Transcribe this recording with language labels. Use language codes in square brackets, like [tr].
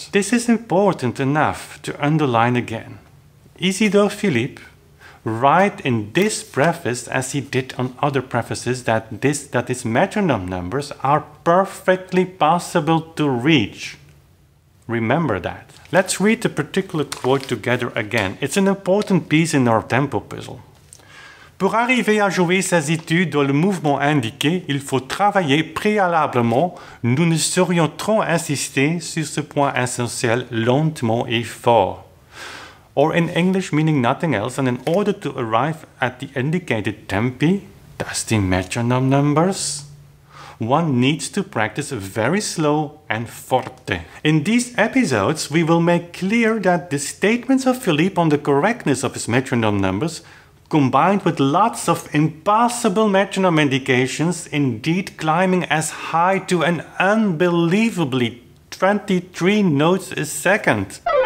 [en] This is important enough to underline again. Isidore Philippe, right in this preface, as he did on other prefaces, that his metronome numbers are perfectly possible to reach. Remember that. Let's read the particular quote together again. It's an important piece in our tempo puzzle. [fr] Pour arriver à jouer ces études dans le mouvement indiqué, il faut travailler préalablement. Nous ne saurions trop insister sur ce point essentiel lentement et fort. [en] Or in English meaning nothing else, and in order to arrive at the indicated tempi, that's the metronome numbers, one needs to practice very slow and forte. In these episodes, we will make clear that the statements of Philippe on the correctness of his metronome numbers, combined with lots of impossible metronome indications, indeed climbing as high to an unbelievably 23 notes a second,